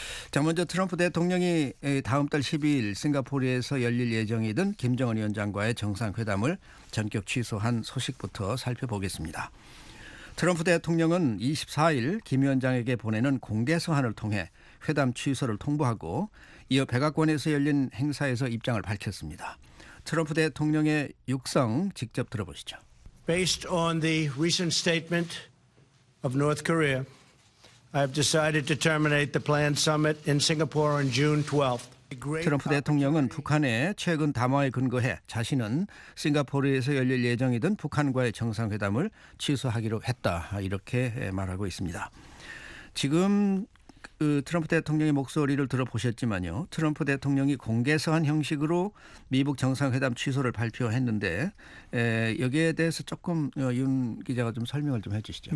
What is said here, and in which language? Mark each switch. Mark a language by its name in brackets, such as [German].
[Korean] 자, 먼저 트럼프 대통령이 다음 달 12일 싱가포르에서 열릴 예정이던 김정은 위원장과의 정상회담을 전격 취소한 소식부터 살펴보겠습니다. 트럼프 대통령은 24일 김 위원장에게 보내는 공개서한을 통해 회담 취소를 통보하고 이어 백악관에서 열린 행사에서 입장을 밝혔습니다. 트럼프 대통령의 육성 직접 들어보시죠. [English] Based on the recent statement of North Korea, I have decided to terminate the planned summit in Singapore on June 12th. [Korean] 트럼프 대통령은 북한의 최근 담화에 근거해 자신은 싱가포르에서 열릴 예정이던 북한과의 정상회담을 취소하기로 했다, 이렇게 말하고 있습니다. 지금 트럼프 대통령의 목소리를 들어보셨지만요, 트럼프 대통령이 공개서한 형식으로 미북 정상회담 취소를 발표했는데 여기에 대해서 조금 윤 기자가 좀 설명을 좀 해주시죠.